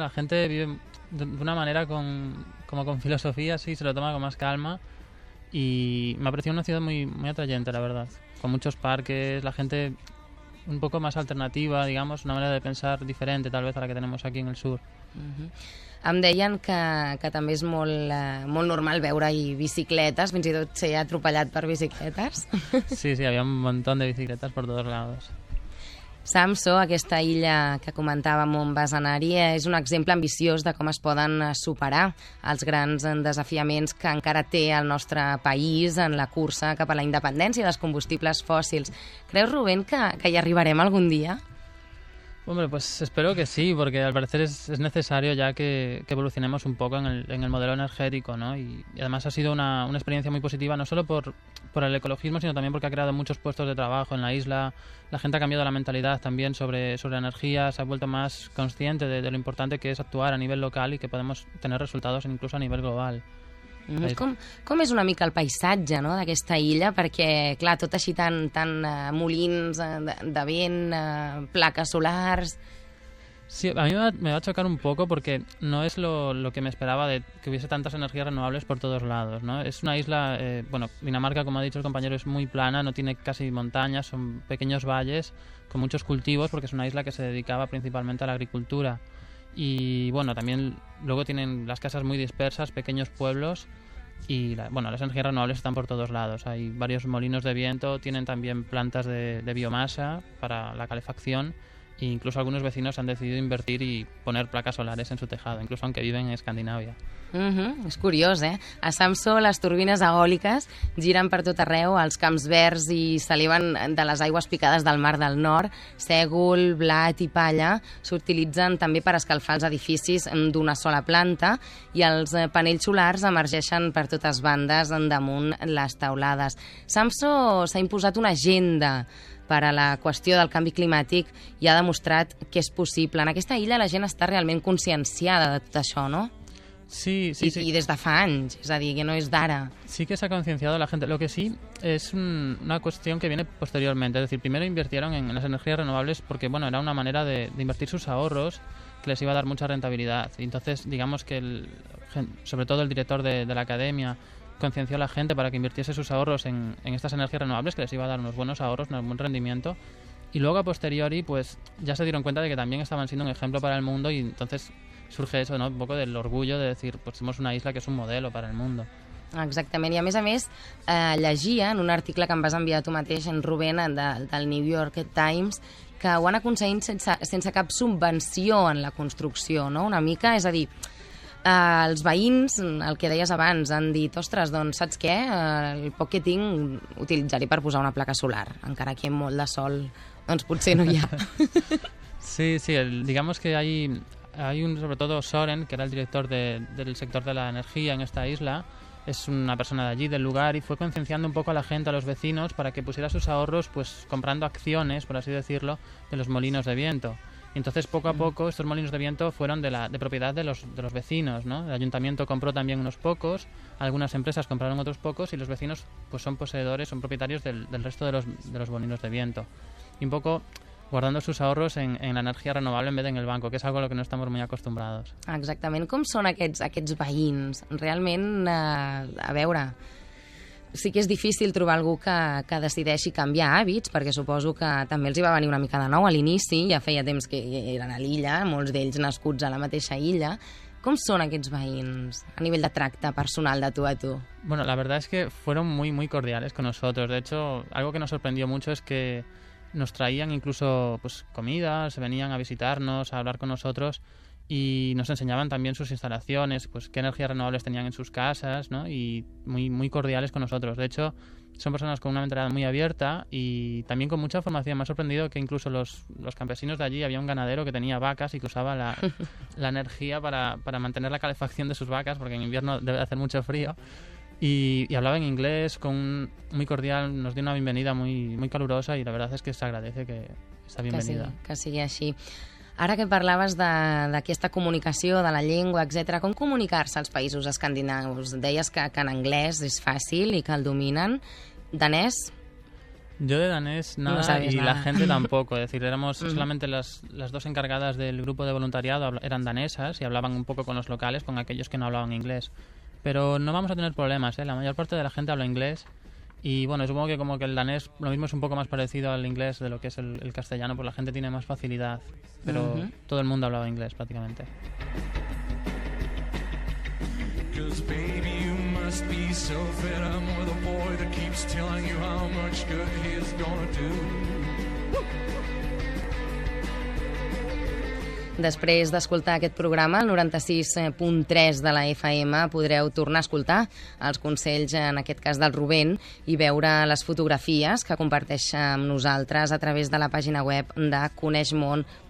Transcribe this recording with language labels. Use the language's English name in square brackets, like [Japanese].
[Spanish] La gente vive de una manera con como con filosofía, sí, se lo toma con más calma y me ha parecido una ciudad muy muy atrayente, la verdad. Con muchos parques, la gente un poco más alternativa, digamos, una manera de pensar diferente tal vez a la que tenemos aquí en el sur. [Catalan] Em deien que també és molt, molt normal veure-hi bicicletes, fins i tot ser atropellat per bicicletes. Sí, sí, hi havia un montón de bicicletes per tots lados. Samsó, aquesta illa que comentàvem on vas anar-hi, és un exemple ambiciós de com es poden superar els grans desafiaments que encara té el nostre país en la cursa cap a la independència dels combustibles fòssils. Creus, Rubén, que hi arribarem algun dia? [Spanish] Hombre, pues espero que sí, porque al parecer es necesario ya que evolucionemos un poco en el modelo energético, ¿no? Y además ha sido una experiencia muy positiva, no solo por el ecologismo, sino también porque ha creado muchos puestos de trabajo en la isla. La gente ha cambiado la mentalidad también sobre energía, se ha vuelto más consciente de lo importante que es actuar a nivel local y que podemos tener resultados incluso a nivel global. [Catalan] Com és una mica el paisatge, no, d'aquesta illa? Perquè, clar, tot així tan molins de vent, plaques solars... [Spanish] Sí, a mi me va chocar un poco porque no es lo que me esperaba de que hubiese tantas energías renovables por todos lados, ¿no? Es una isla, bueno, Dinamarca, como ha dicho el compañero, es muy plana, no tiene casi montañas, son pequeños valles con muchos cultivos porque es una isla que se dedicaba principalmente a la agricultura. Y bueno, también luego tienen las casas muy dispersas, pequeños pueblos y bueno, las energías renovables están por todos lados. Hay varios molinos de viento, tienen también plantas de biomasa para la calefacción e incluso algunos vecinos han decidido invertir y poner placas solares en su tejado, incluso aunque viven en Escandinavia. [Catalan] És curiós, eh? A Samsó les turbines eòliques giren per tot arreu, els camps verds i s'eleven de les aigües picades del mar del nord, sègol, blat i palla s'utilitzen també per escalfar els edificis d'una sola planta i els panells solars emergeixen per totes bandes damunt les teulades. Samsó s'ha imposat una agenda per a la qüestió del canvi climàtic i ha demostrat que és possible. En aquesta illa la gent està realment conscienciada de tot això, no? Sí, sí, sí. [Spanish] Y desde hace años, es decir, que no es d'ara. Sí que se ha concienciado la gente. Lo que sí es una cuestión que viene posteriormente. Es decir, primero invirtieron en las energías renovables porque, bueno, era una manera de invertir sus ahorros que les iba a dar mucha rentabilidad. Y entonces, digamos que sobre todo el director de la academia concienció a la gente para que invirtiese sus ahorros en estas energías renovables que les iba a dar unos buenos ahorros, un buen rendimiento. Y luego, a posteriori, pues ya se dieron cuenta de que también estaban siendo un ejemplo para el mundo y entonces... surge eso, ¿no? Un poco del orgullo de decir, pues somos una isla que es un modelo para el mundo. [Catalan] Exactament, i a més, llegia en un article que em vas enviar tu mateix, en Rubén, del New York Times, que ho han aconseguit sense cap subvenció en la construcció, no? Una mica, és a dir, els veïns, el que deies abans, han dit, ostres, doncs saps què? El poc que tinc utilitzaré per posar una placa solar, encara que molt de sol, doncs potser no hi ha. [Spanish] Sí, sí, digamos que hay... Hay un, sobre todo Soren, que era el director del sector de la energía en esta isla, es una persona de allí, del lugar, y fue concienciando un poco a la gente, a los vecinos, para que pusiera sus ahorros, pues comprando acciones, por así decirlo, de los molinos de viento. Y entonces, poco a poco, estos molinos de viento fueron de propiedad de los vecinos, ¿no? El ayuntamiento compró también unos pocos, algunas empresas compraron otros pocos, y los vecinos pues son poseedores, son propietarios del resto de los molinos de viento. Y un poco... guardando sus ahorros en la energía renovable en vez de en el banco, que es algo a lo que no estamos muy acostumbrados. [Catalan] Exactament. Com són aquests veïns? Realment, a veure, sí que és difícil trobar algú que decideixi canviar hàbits, perquè suposo que també els hi va venir una mica de nou a l'inici, ja feia temps que eren a l'illa, molts d'ells nascuts a la mateixa illa. ¿Com són aquests veïns a nivell de tracte personal de tu a tu? [Spanish] Bueno, la verdad es que fueron muy, muy cordiales con nosotros. De hecho, algo que nos sorprendió mucho es que nos traían incluso pues, comida, se venían a visitarnos, a hablar con nosotros y nos enseñaban también sus instalaciones, pues qué energías renovables tenían en sus casas, ¿no? Y muy, muy cordiales con nosotros. De hecho, son personas con una mentalidad muy abierta y también con mucha formación. Me ha sorprendido que incluso los campesinos de allí, había un ganadero que tenía vacas y que usaba la energía para mantener la calefacción de sus vacas, porque en invierno debe hacer mucho frío. Y hablaba en inglés, muy cordial, nos dio una bienvenida muy, muy calurosa y la verdad es que se agradece que esta bienvenida. [Catalan] Que sigui així. Ara que parlaves d'aquesta comunicació, de la llengua, etc., com comunicar-se als països escandinaus? Deies que en anglès és fàcil i que el dominen. Danès? Jo de danès [Spanish] nada, no y la gente tampoco. Es decir, éramos solamente las dos encargadas del grupo de voluntariado, eran danesas y hablaban un poco con los locales, con aquellos que no hablaban inglés. Pero no vamos a tener problemas, ¿eh? La mayor parte de la gente habla inglés. Y bueno, supongo que como que el danés lo mismo es un poco más parecido al inglés de lo que es el castellano, pues la gente tiene más facilidad, pero todo el mundo hablaba inglés prácticamente. [English] Cause baby, you must be so fed up with a boy that keeps telling you how much good he's gonna do. [Catalan] Després d'escoltar aquest programa, el 96.3 de la FM, podreu tornar a escoltar els consells, en aquest cas del Rubén, i veure les fotografies que comparteix amb nosaltres a través de la pàgina web de coneixmon.org.